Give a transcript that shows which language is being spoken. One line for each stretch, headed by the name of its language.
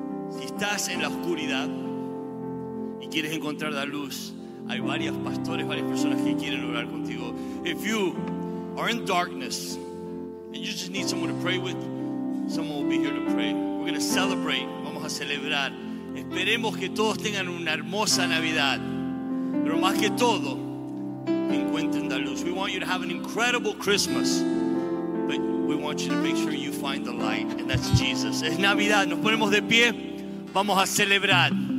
Spanish: Si estás en la oscuridad y quieres encontrar la luz, hay varios pastores, varias personas que quieren orar contigo.
English: If you are in darkness and you just need someone to pray with, someone will be here to pray. We're going to celebrate.
Spanish: Vamos a celebrar. Esperemos que todos tengan una hermosa Navidad, pero más que todo encuentren la luz.
English: We want you to have an incredible Christmas. We want you to make sure you find the light, and that's Jesus.
Spanish: Es Navidad, nos ponemos de pie, vamos a celebrar.